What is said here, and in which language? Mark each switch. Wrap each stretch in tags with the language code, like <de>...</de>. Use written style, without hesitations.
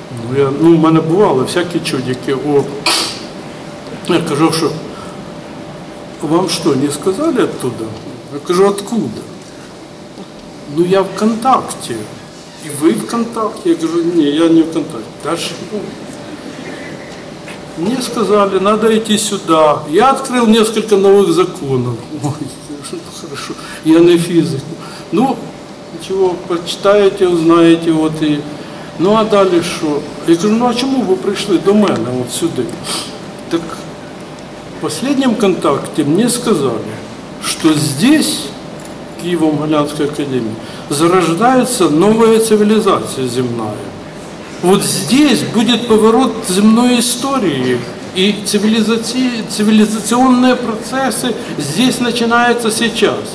<uk>Ну, я, ну, в мене бувало всякі чудики. О. Я кажу, що вам що, не сказали оттуда? Я кажу, откуда? Ну, я в контакті. І ви в контакті? Я кажу, ні, я не в контакті. Та ж,</uk> <ru>Мне сказали, надо идти сюда. Я открыл несколько новых законов. Ой, хорошо, я не физик. Ну, ничего, почитаете, узнаете, вот и...</ru> <uk>Ну, а далі що? Я кажу, ну, а чому ви прийшли до мене, от сюди? Так, в останньому контакті мені сказали, що тут, Києво-Могилянській академії, зарождається нова цивілізація земна. От тут буде поворот земної історії, і цивілізаційні процеси тут починаються зараз.</uk>